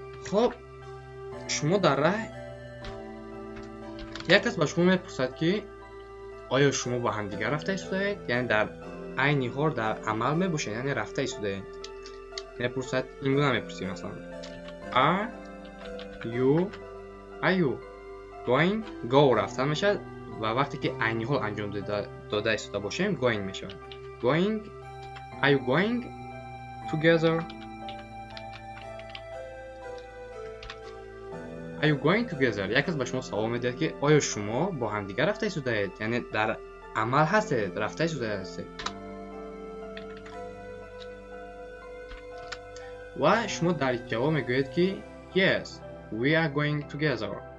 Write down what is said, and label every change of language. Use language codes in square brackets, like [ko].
[fa] خب شما در راه یک کس به شما میپرسد که آیا شما با همدیگر رفته ایستادید؟ یعنی در عینی حال در عمل میباشید، یعنی رفته ایستادید. میپرسد این گونه میپرسید مثلا [en] Are you going [fa] go رفتن میشد و وقتی که عینی حال انجام داده ایستاده باشیم going میشود. [en] Going Are you going together? Are you going together? [fa] یک کس به شما سوال میدهد که آیا شما با همدیگر رفته ایستادید؟ یعنی در عمل هستید، رفته ایستادید. و شما در جواب میگوید که [en] Yes, we are going together.